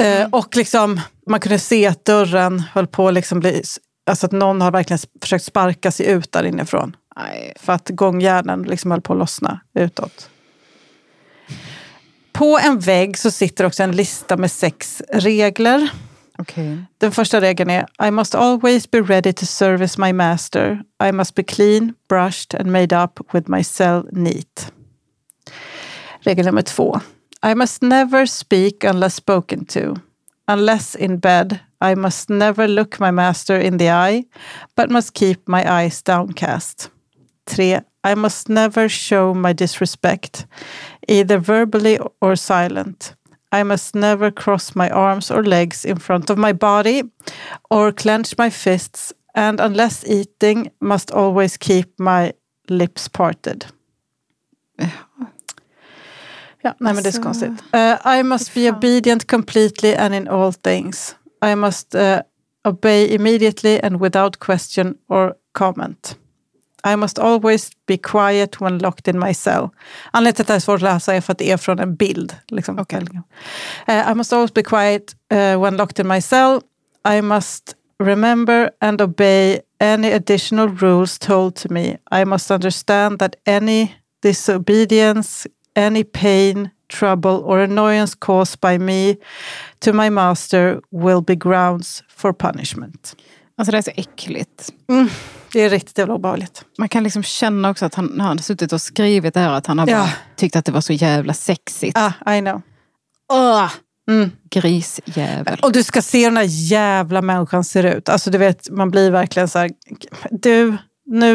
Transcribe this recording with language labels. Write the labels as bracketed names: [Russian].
[Swedish] Och liksom, man kunde se att dörren höll på liksom bli, alltså att någon har verkligen försökt sparka sig ut där inifrån. Nej. För att gångjärnen liksom höll på att lossna utåt. På en vägg så sitter också en lista med 6 regler. Okay. Den första regeln är: [English] I must always be ready to service my master. I must be clean, brushed and made up with my cell neat. [Swedish] Regel nummer 2: [English] I must never speak unless spoken to. Unless in bed, I must never look my master in the eye, but must keep my eyes downcast. 3: I must never show my disrespect, either verbally or silent. I must never cross my arms or legs in front of my body or clench my fists, and unless eating, must always keep my lips parted. [Swedish] Ja, nej, men det är konstigt. [English] I must be obedient completely and in all things. I must obey immediately and without question or comment. I must always be quiet when locked in my cell. [Swedish] Anledningen till att det är svårt att läsa är för att det är från en bild. Liksom. Okay. [English] I must always be quiet when locked in my cell. I must remember and obey any additional rules told to me. I must understand that any disobedience, any pain, trouble or annoyance caused by me to my master will be grounds for punishment. [Swedish] Alltså det är så äckligt. Det är riktigt jävla obehagligt. Man kan liksom känna också att han har suttit och skrivit det här, att han har bara tyckt att det var så jävla sexigt. Ja, [English] I know. [Swedish] Grisjävel. Och du ska se hur den här jävla människan ser ut. Alltså du vet, man blir verkligen så här, du, nu...